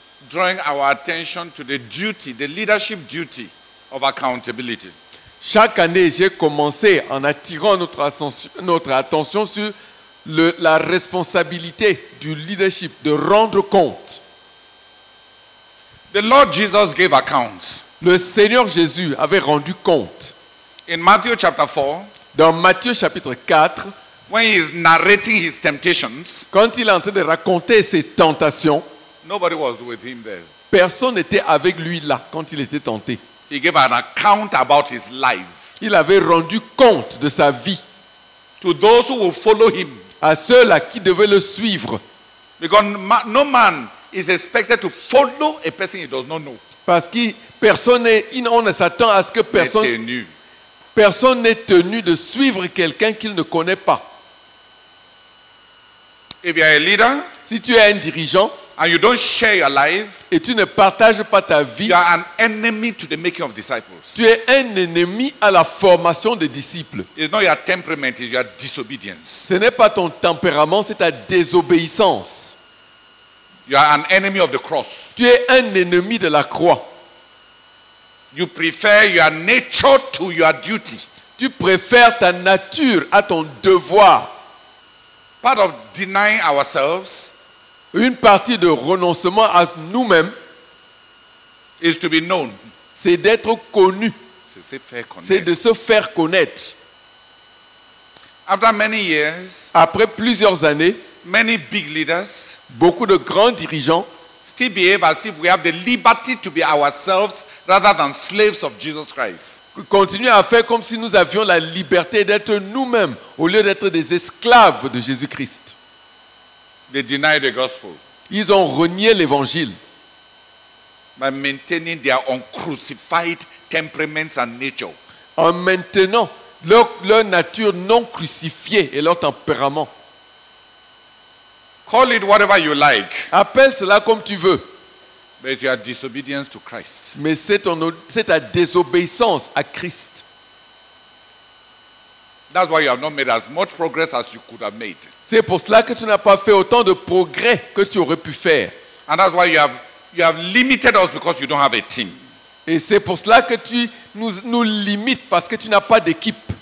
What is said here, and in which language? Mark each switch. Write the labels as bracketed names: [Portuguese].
[English] drawing our attention to the duty, the leadership duty of accountability. [French] Chaque année, j'ai commencé en attirant notre attention sur la responsabilité du leadership, de rendre compte. [English] The Lord Jesus gave accounts. [French] Le Seigneur Jésus avait rendu compte. [English] In Matthew chapter 4, [French] dans Matthieu chapitre 4, [English] when he is narrating his temptations, [French] quand il est en train de raconter ses tentations, [English] nobody was with him there. [French] Personne n'était avec lui là quand il était tenté. [English] He gave an account about his life. [French] Il avait rendu compte de sa vie. [English] To those who will follow him. [French] À ceux-là qui devaient le suivre. [English] Because no man is expected to follow a person he does not know. [French] Parce que on ne s'attend à ce que personne n'est tenu de suivre quelqu'un qu'il ne connaît pas. [English] If you are a leader, [French] si tu es un dirigeant, [English] and you don't share your life, [French] et tu ne partages pas ta vie, [English] you are an enemy to the making of disciples. [French] Tu es un ennemi à la formation des disciples. [English] It's not your temperament, it's your disobedience. [French] Ce n'est pas ton tempérament, c'est ta désobéissance. [English] You are an enemy of the cross. [French] Tu es un ennemi de la croix. [English] You prefer your nature to your duty. [French] Tu préfères ta nature à ton devoir. [English] Part of denying ourselves, [French] une partie de renoncement à nous-mêmes, [English] is to be known. [French] C'est d'être connu. C'est de se faire connaître. [English] After many years, [French] après plusieurs années, [English] many big leaders, [French] beaucoup de grands dirigeants, [English] still behave as if we have the liberty to be ourselves rather than slaves of Jesus Christ. [French] Continuer à faire comme si nous avions la liberté d'être nous-mêmes au lieu d'être des esclaves de Jésus-Christ. [English] They deny the gospel. [French] Ils ont renié l'évangile. [English] By maintaining their uncrucified temperaments and nature. [French] En maintenant leur nature non crucifiée et leur tempérament. [English] Call it whatever you like. [French] Appelle cela comme tu veux. [English] But it's your disobedience to Christ. [French] Mais c'est ta désobéissance à Christ. [English] That's why you have not made as much progress as you could have made. [French] C'est pour cela que tu n'as pas fait autant de progrès que tu aurais pu faire. [English] And that's why you have limited us because you don't have a team. [French] Et c'est pour cela que tu nous limites parce que tu n'as pas d'équipe.